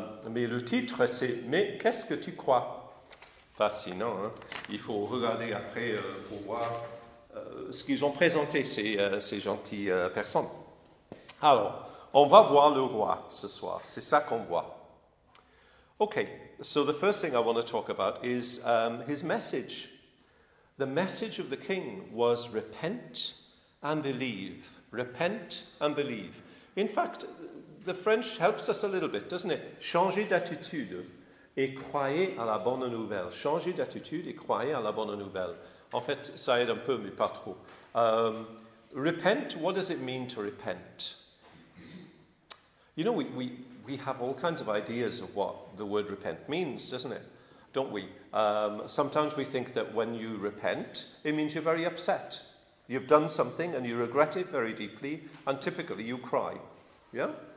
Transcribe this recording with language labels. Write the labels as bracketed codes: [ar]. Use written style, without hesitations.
[fr] Mais le titre, c'est « Mais qu'est-ce que tu crois ?» Fascinant, hein? Il faut regarder après pour voir ce qu'ils ont présenté, ces gentilles personnes. Alors, on va voir le roi ce soir, c'est ça qu'on voit. [en] Ok, so the first thing I want to talk about is his message. The message of the king was repent and believe. Repent and believe. In fact, the French helps us a little bit, doesn't it? [fr] Changer d'attitude et croyez à la bonne nouvelle. Changer d'attitude et croyez à la bonne nouvelle. En fait, ça aide un peu, mais pas trop. [en] Repent, what does it mean to repent? You know, we have all kinds of ideas of what the word repent means, doesn't it? Don't we? Sometimes we think that when you repent, it means you're very upset. You've done something and you regret it very deeply, and typically you cry. Yeah?